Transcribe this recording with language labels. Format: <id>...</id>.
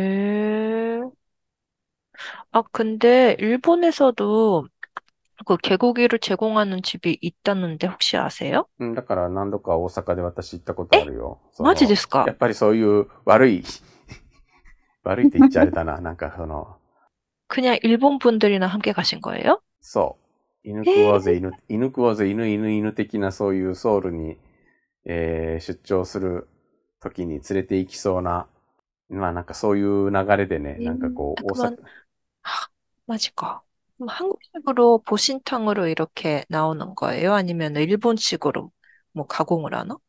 <ko>へー。あ、근데、일본에서도、그개고기를제공하는집이있다는데혹시아세요？</ko> <ja>だから何度か大阪で私行ったことあるよ。え？マジですか？やっぱりそういう悪い、悪いって言っちゃあれだな。なんかその、</ja> <ko>그냥일본분들이나함께가신거예요？</ko> <ja>そう。犬食わぜ、犬食わぜ、犬的なそういうソウルに、出張するときに連れて行きそうな、まあなんかそういう流れでね、なんかこう、大阪。は、マジか。</ja> <ko>한국식으로、보신탕으로이렇게나오는거예요？아니면、일본식으로、뭐、加工을하나？</ko>